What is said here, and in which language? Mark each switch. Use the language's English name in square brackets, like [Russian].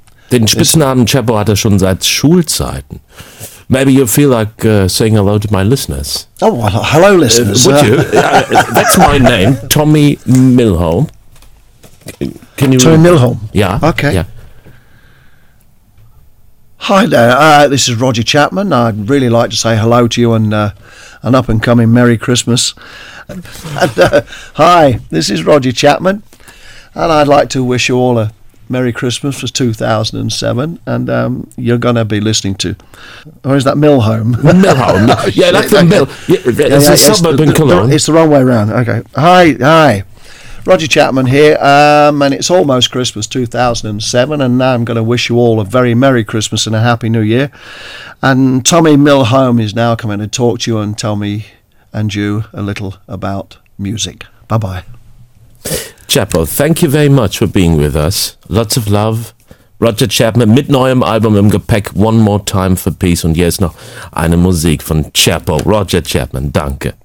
[German] Den Spitznamen Chapo hat er schon seit Schulzeiten. [English] Maybe you feel like saying hello to my listeners. Oh, well, hello, listeners. Would you? That's my name, Tommy Milholm. Can you Tommy Milholm? Yeah. Okay. Yeah. Hi there, this is Roger Chapman. I'd really like to say hello to you and an up-and-coming Merry Christmas. hi, this is Roger Chapman. And I'd like to wish you all a Merry Christmas for 2007. And you're going to be listening to, or is that Milholm? Milholm. Yeah, that's the mill. It's a suburb in Cologne. It's the wrong way around. Okay. Hi. Roger Chapman here. And it's almost Christmas 2007. And now I'm going to wish you all a very Merry Christmas and a Happy New Year. And Tommy Milholm is now coming to talk to you and tell me and you a little about music. Bye-bye. Chapo, thank you very much for being with us. Lots of love. [German] Roger Chapman mit neuem Album im Gepäck. One more time for peace. Und hier ist noch eine Musik von Chapo. Roger Chapman, danke.